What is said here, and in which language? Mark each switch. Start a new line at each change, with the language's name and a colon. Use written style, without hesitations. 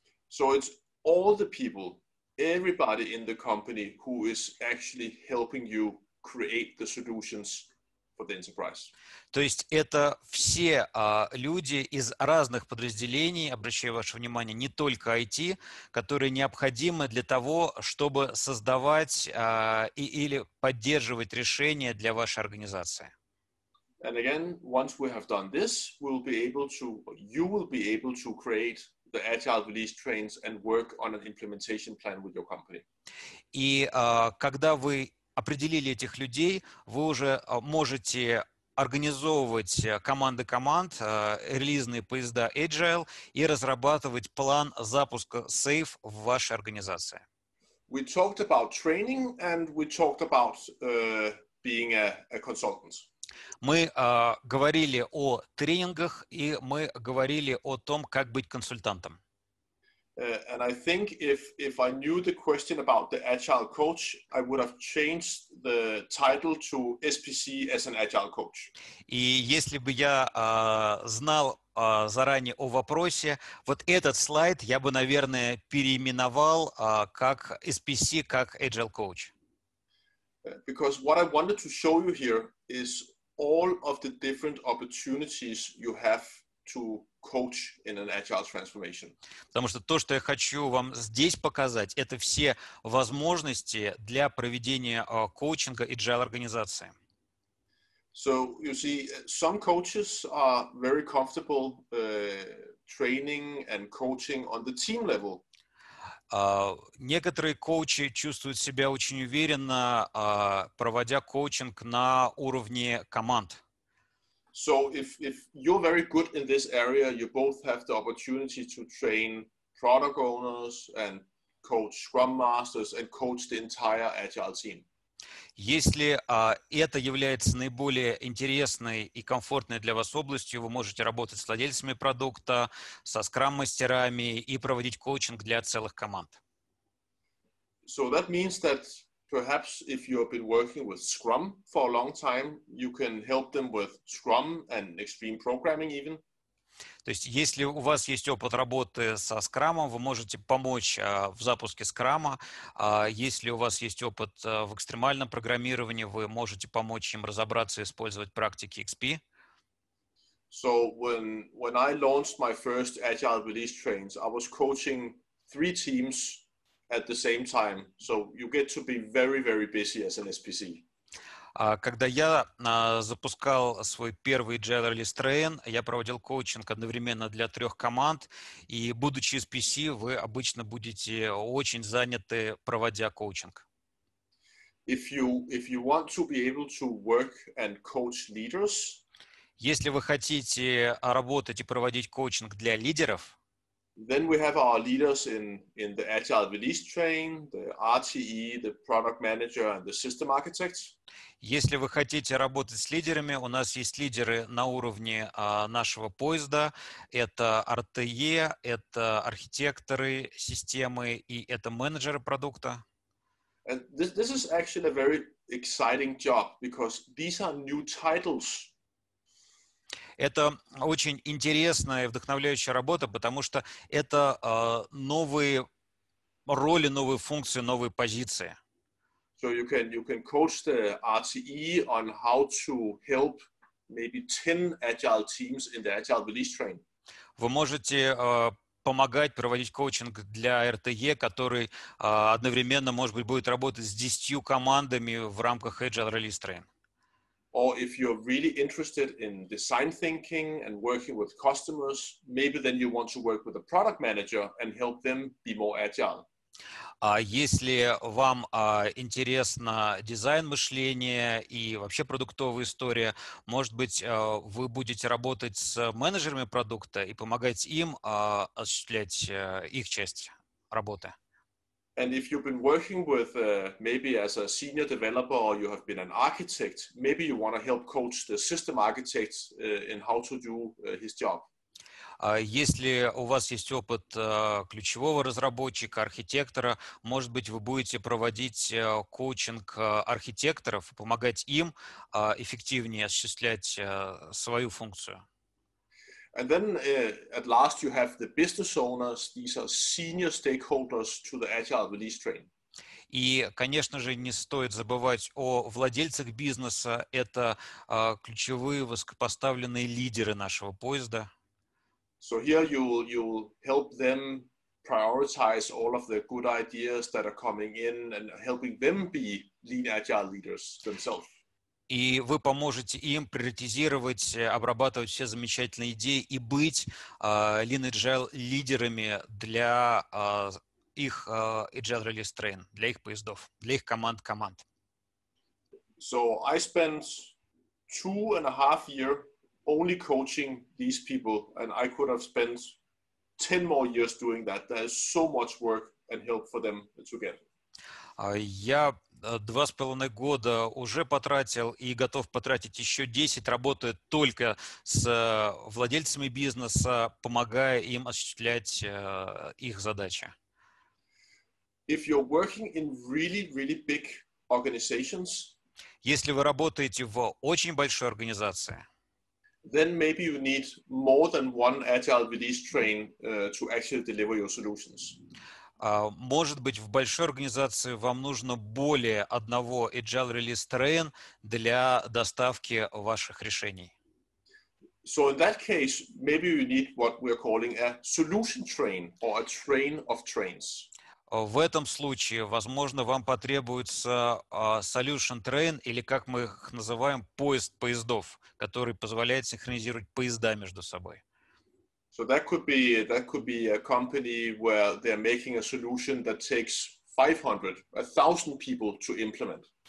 English: So it's all the people, everybody in the company who is actually helping you create the solutions for the enterprise.
Russian: То есть это все люди из разных подразделений, обращаю ваше внимание, не только IT, которые необходимы для того, чтобы создавать или поддерживать решения для вашей организации.
English: And again, once we have done this, we'll be able to, you will be able to create the agile release trains and work on an implementation plan with your company.
Russian: И когда вы определили этих людей, вы уже можете организовывать команды команд, релизные поезда Agile и разрабатывать план запуска Safe в вашей организации.
English: We talked about training and we talked about being a consultant.
Russian: Мы говорили о тренингах и мы говорили о том, как быть консультантом.
English: And I think if I knew the question about the agile coach, I would have changed the title to SPC as an agile coach.
Russian: И если бы я знал заранее о вопросе, вот этот слайд я бы, наверное, переименовал как SPC, как agile coach.
English: Because what I wanted to show you here is all of the different opportunities you have to coach in an agile transformation.
Russian: Потому что то, что я хочу вам здесь показать, это все возможности для проведения коучинга agile организации.
English: So, you see, some coaches are very comfortable training and coaching on the team level.
Russian: Некоторые коучи чувствуют себя очень уверенно, проводя коучинг на уровне команд.
English: So if you're very good in this area, you both have the opportunity to train product owners and coach scrum masters and coach the entire agile team.
Russian: Если это является наиболее интересной и комфортной для вас областью, вы можете работать с владельцами продукта, со скрам-мастерами и проводить коучинг для целых команд.
English: So that means that perhaps if you have been working with Scrum for a long time, you can help them with Scrum and Extreme Programming even.
Russian: То есть, если у вас есть опыт работы со скрамом, вы можете помочь в запуске скрама. Если у вас есть опыт в экстремальном программировании, вы можете помочь им разобраться и использовать практики XP.
English: So when I launched my first agile release trains, I was coaching three teams at the same time. So you get to be very, very busy as an SPC.
Russian: Когда я запускал свой первый Agile Release Train, я проводил коучинг одновременно для трех команд, и будучи SPC, вы обычно будете очень заняты, проводя коучинг.
English: If you want to be able to work and coach leaders,
Russian: если вы хотите работать и проводить коучинг для лидеров,
English: then we have our leaders in the Agile Release Train, the RTE, the Product Manager, and the System Architect.
Russian: Если вы хотите работать с лидерами, у нас есть лидеры на уровне нашего поезда. Это RTE, это архитекторы системы и это менеджеры продукта.
English: And this is actually a very exciting job because these are new titles.
Russian: Это очень интересная и вдохновляющая работа, потому что это новые роли, новые функции, новые позиции.
English: So you can coach the RTE on how to help maybe 10 agile teams in the agile release train.
Russian: Вы можете помогать проводить коучинг для RTE, который одновременно, может быть, будет работать с 10 командами в рамках agile release train.
English: Or if you're really interested in design thinking and working with customers, maybe then you want to work with a product manager and help them be more agile.
Russian: Если вам интересно дизайн мышления и вообще продуктовая история, может быть, вы будете работать с менеджерами продукта и помогать им осуществлять их часть работы.
English: And if you've been working with maybe as a senior developer or you have been an architect, maybe you want to help coach the system architect in how to do his job.
Russian: Если у вас есть опыт ключевого разработчика, архитектора, может быть, вы будете проводить коучинг архитекторов, помогать им эффективнее осуществлять свою функцию.
English: And then at last you have the business owners, these are senior stakeholders to the Agile release train.
Russian: И, конечно же, не стоит забывать о владельцах бизнеса. Это ключевые высокопоставленные лидеры нашего поезда.
English: So here you'll help them prioritize all of the good ideas that are coming in and helping them be lean agile leaders themselves.
Russian: И вы поможете им приоритизировать, обрабатывать все замечательные идеи и быть lean agile лидерами для их Agile Release Train, для их поездов, для их команд.
English: So I spent 2.5 years only coaching these people, and I could have spent 10 more years doing that. There is so much work and help for them to get.
Russian: Я 2.5 года уже потратил и готов потратить еще 10, работая только с владельцами бизнеса, помогая им осуществлять их задачи.
English: If you're working in really, really big organizations,
Russian: если вы работаете в очень большой организации,
English: then maybe you need more than one agile release train to actually deliver your solutions.
Russian: Может быть, в большой организации вам нужно более одного agile release train для доставки ваших решений.
English: So in that case, maybe you need what we're calling a solution train or a train of trains.
Russian: В этом случае, возможно, вам потребуется solution train, или как мы их называем, поезд поездов, который позволяет синхронизировать поезда между собой.
English: So that could be a company where they're making a solution that takes 500, 1,000 people to implement.